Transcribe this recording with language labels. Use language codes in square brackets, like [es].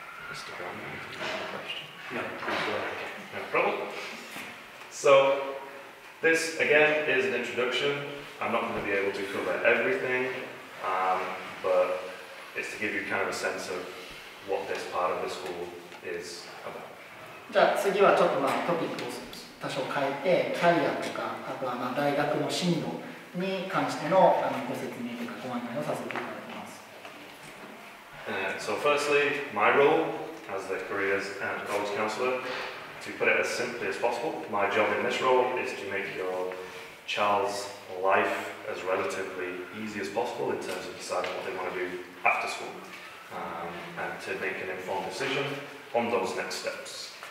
[en] Mr. Brown, do you have a question? No, no problem. So this again is an introduction. I'm not going to be able to cover everything, but it's to give you kind of a sense of what this part of the school is. [ja] じゃあ次はちょっとまあトピックを多少変えてキャリアとかあとはまあ大学の進路に関して の, ご説明とかご案内をさせていただきます。 [en] So firstly, my role as the careers and college counselor, to put it as simply as possible, my job in this role is to make your child's life as relatively easy as possible in terms of deciding what they want to do after school, and to make an informed decision on those next steps.